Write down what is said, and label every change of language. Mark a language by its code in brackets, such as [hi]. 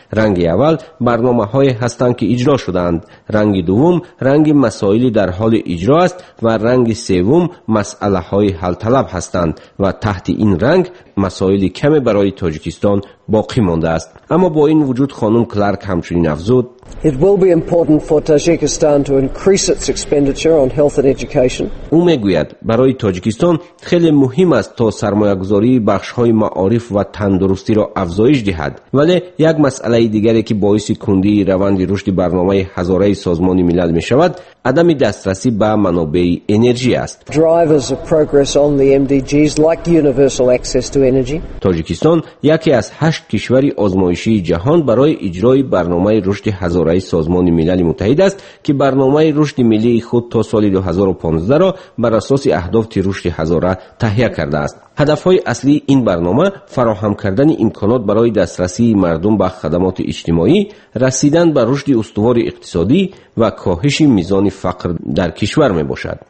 [fa] رنگ اول برنامه های هستند که اجرا شدند. رنگ دوم رنگ مسائلی در حال اجرا است و رنگ سوم مسئله های حل طلب هستند و تحت این رنگ مسائلی کم برای تاجیکستان باقی مانده است. اما با این وجود خانم کلارک همچنین افزود [en] It will be important for Tajikistan to increase its expenditure on health and education. [fa] او میگوید برای تاجیکستان خیلی مهم است تا سرمایه‌گذاری بخش‌های معارف و تندرستی را افزایش دهد. ولی یک مسئله دیگری که باعث کندی روند رشد برنامه هزاره سازمان ملل می‌شود، عدم دسترسی به منابع انرژی است. [en] Drivers of progress on the MDGs like universal access to energy. [fa] تاجیکستان یکی از 8 کشور آزمایشی جهان برای اجرای برنامه رشد هزاره سازمان ملل متحد است که برنامه رشد ملی خود تا سال 2015 را بر اساس اهداف رشد هزاره تهیه کرده است. هدفهای اصلی این برنامه فراهم کردن امکانات برای دسترسی مردم به خدمات اجتماعی، رسیدن به رشد استوار اقتصادی و کاهش میزان فقر در کشور می باشد.